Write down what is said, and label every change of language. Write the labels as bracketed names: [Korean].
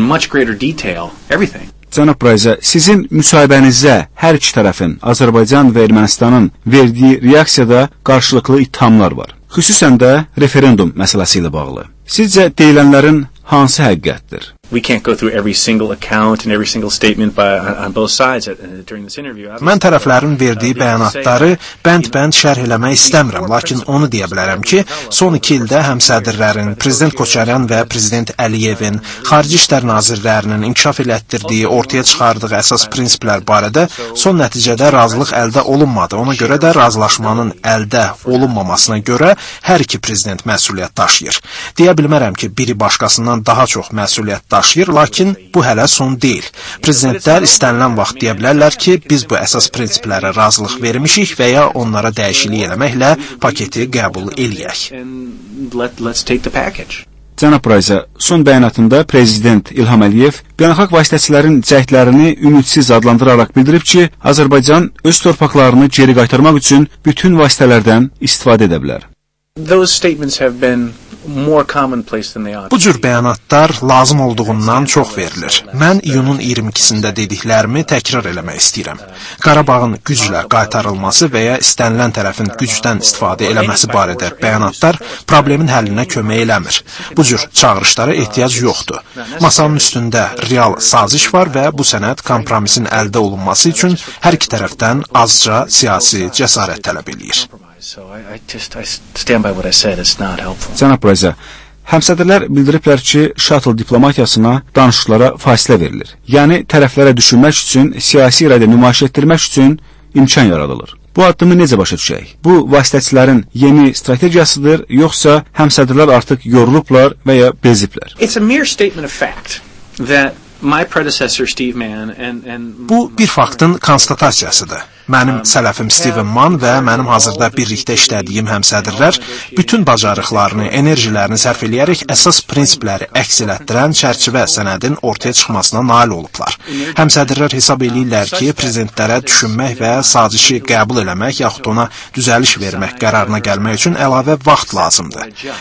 [Azerbaijani] Cənab Braize, sizin müsahibənizə hər iki tərəfin, Azərbaycan və Ermənistanın verdiyi reaksiyada qarşılıqlı ittihamlar var. Xüsusən də referendum məsələsi ilə bağlı. Sizcə deyilənlərin hansı həqiqətdir? [English] We can't go through every single account and every single statement by on both sides during this interview. [Azerbaijani] Mən tərəflərin verdiyi bəyanatları bənd-bənd şərh eləmək istəmirəm, lakin onu deyə bilərəm ki, son 2 ildə həmsədrlərin, prezident Koçaryan və prezident Əliyevin, xarici işlər nazirlərinin inkişaf elətdirdiyi, ortaya çıxardığı əsas prinsiplər barədə son nəticədə razılıq əldə olunmadı. Ona görə də razılaşmanın əldə olunmamasına görə hər iki prezident məsuliyyət daşıyır. Deyə bilmərəm ki, biri başqasından daha çox məsuliyyət daşıyır, lakin bu hələ son deyil. Prezidentlər istənilən vaxt deyə bilərlər ki, biz bu əsas prinsiplərə razılıq vermişik və ya onlara dəyişiklik eləməklə paketi qəbul eləyək. Cənab Braize, son bəyanatında Prezident İlham Əliyev beynəlxalq vasitəçilərin cəhdlərini ümidsiz adlandıraraq bildirib ki, Azərbaycan öz torpaqlarını geri qaytarmaq üçün bütün vasitələrdən istifadə edə bilər. [English] Those statements have been more commonplace than they are. [Azerbaijani] Bu cür bəyanatlar lazım olduğundan çox verilir. Mən iyunun 22-sində dediklərimi təkrar eləmək istəyirəm. Qarabağın güclə qaytarılması və ya istənilən tərəfin gücdən istifadə eləməsi barədə bəyanatlar problemin həllinə kömək eləmir. Bu cür çağırışlara ehtiyac yoxdur. Masanın üstündə real saziş var və bu sənəd kompromisin əldə olunması üçün hər iki tərəfdən azca siyasi cəsarət tələb eləyir. [English] So I stand by what I said, it's not helpful. [Azerbaijani] Cənab Braize, həmsədrlər bildiriblər ki, shuttle diplomatiyasına danışıqlara fasilə verilir. Yəni tərəflərə düşünmək üçün, siyasi iradə nümayiş etdirmək üçün imkan yaradılır. Bu addımı necə başa düşək? Bu vasitəçilərin yeni strategiyasıdır, yoxsa həmsədrlər artıq yoruluplar və ya beziblər? [English] It's a mere statement of fact that my predecessor Steve Mann and [Azerbaijani] bu bir faktın konstatasiyasıdır. Mənim sələfim Steven Mann və mənim hazırda birlikdə işlədiyim həmsədrlər bütün bacarıqlarını, enerjilərini sərf eləyərək əsas prinsipləri əks elətdirən çərçivə sənədin ortaya çıxmasına nail olublar. Həmsədrlər hesab eləyirlər ki, prezidentlərə düşünmək və sazişi qəbul eləmək yaxud ona düzəliş vermək qərarına gəlmək üçün əlavə vaxt lazımdır.